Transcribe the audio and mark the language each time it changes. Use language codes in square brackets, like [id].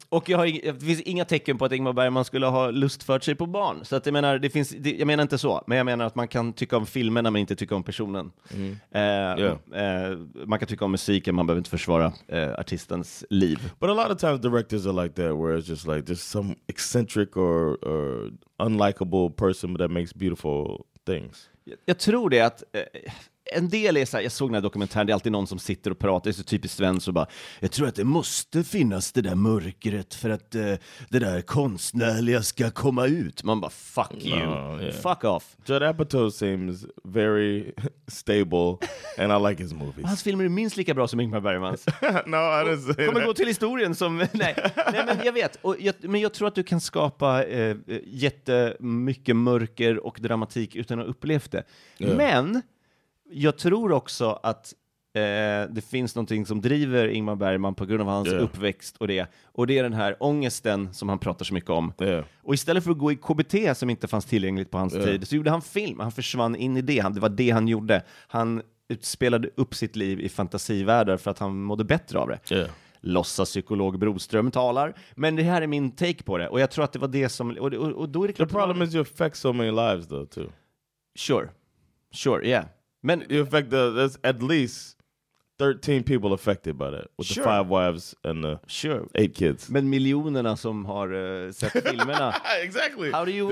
[sv] Och det finns inga tecken på att Ingmar Bergman skulle ha lustfört sig på barn. Så att jag menar inte så. Men jag menar att man kan tycka om filmerna men inte tycka om personen. Mm. Man kan tycka om musiken, man behöver inte försvara artistens liv. [en] But a lot of times directors are like that, where it's just like there's some eccentric or unlikable person that makes beautiful things. [sv] Jag tror det att... En del är så här, jag såg den här dokumentären, det är alltid någon som sitter och pratar, det är så typiskt svensk och bara, jag tror att det måste finnas det där mörkret för att det där konstnärliga ska komma ut. Man bara, [en] fuck you. No, yeah. Fuck off. Judd Apatow seems very stable and I like his movies. [sv] Hans filmer är minst lika bra som Ingmar Bergmans. [en] No, I didn't say [sv] that. Kommer gå till historien som, nej. Nej, men jag vet. Men jag tror att du kan skapa jättemycket mörker och dramatik utan att ha upplevt det. Yeah. Men... Jag tror också att det finns någonting som driver Ingmar Bergman på grund av hans uppväxt och det. Och det är den här ångesten som han pratar så mycket om. [en] Yeah. [sv] Och istället för att gå i KBT som inte fanns tillgängligt på hans tid så gjorde han film. Han försvann in i det. Det var det han gjorde. Han utspelade upp sitt liv i fantasivärldar för att han mådde bättre av det. [en] Yeah. [sv] Låtsas psykolog Broström talar. Men det här är min take på det. Och jag tror att det var det som... Och då är det [en] The problem is you affect so many lives though too. Sure. Sure, yeah. Men, in fact, there's at least 13 people affected by that. With sure. The five wives and the sure. Eight kids. [sv] Men miljonerna som har sett filmerna. [en] Exactly. How do you